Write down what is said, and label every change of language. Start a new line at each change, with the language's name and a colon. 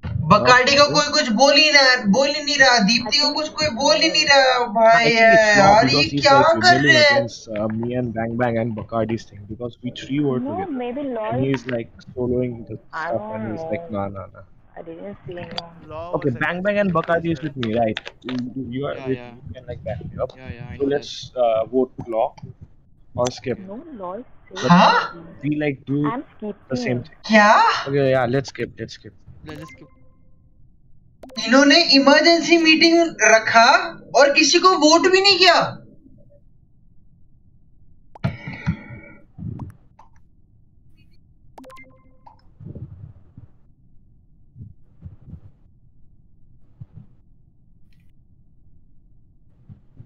Hindi: Bacardi को कोई कुछ बोल ही नहीं रहा. दीप्ति को कुछ कोई बोल ही नहीं रहा. भाई यार, ये क्या कर रहे हैं?
English: Me and bang bang and बकाडी thing because we three were together. He is like following the stuff and he is like ना ना ना. didn't see anyone. Okay, bang bang and Bakaji is with me, right? You are with me, you can like back me up. Yeah, yeah, so let's vote law or skip. No law is safe. Huh? We like do the same thing. Yeah? Okay, yeah, let's skip.
Hindi: इन्होंने emergency meeting रखा और किसी को vote भी नहीं किया.